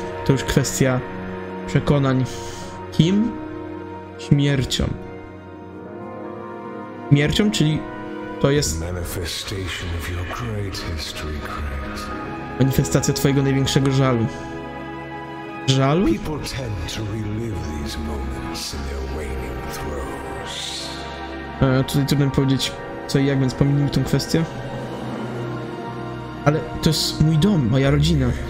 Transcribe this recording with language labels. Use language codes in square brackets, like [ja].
[pl] To już kwestia przekonań. Kim? Śmiercią. Śmiercią, czyli to jest... [en] Manifestation of your great history, Craig. [pl] Manifestacja twojego największego żalu. Żalu? [en] People tend to relive these moments in their waning throes. [pl] Tutaj trudno powiedzieć... Co i jak, więc pominijmy tę kwestię? Ale to jest mój dom, moja rodzina.